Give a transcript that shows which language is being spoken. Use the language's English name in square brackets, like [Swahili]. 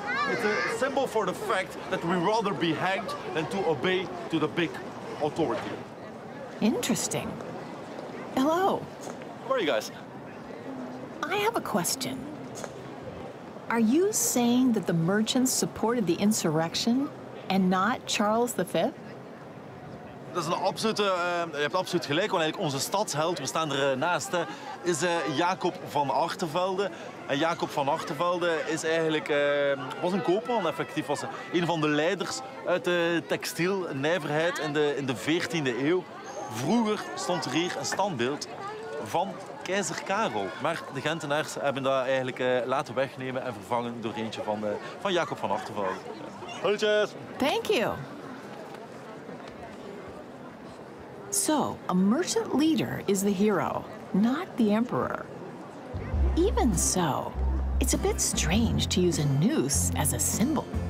[English] It's a symbol for the fact that we'd rather be hanged than to obey to the big authority. Interesting. Hello. How are you guys? I have a question. Are you saying that the merchants supported the insurrection and not Charles V? [Dutch] Dat is een absolute. Je hebt absoluut gelijk, want onze stadsheld, we staan ernaast, is Jacob van Achtervelde. En Jacob van Achtervelde is eigenlijk, was een koopman, effectief. Was een van de leiders uit de textielnijverheid in de 14e eeuw. Vroeger stond er hier een standbeeld van keizer Karel. Maar de Gentenaars hebben dat eigenlijk laten wegnemen en vervangen door eentje van Jacob van Achtervelde. Hallo. [English] Thank you. So, a merchant leader is the hero, not the emperor. Even so, it's a bit strange to use a noose as a symbol.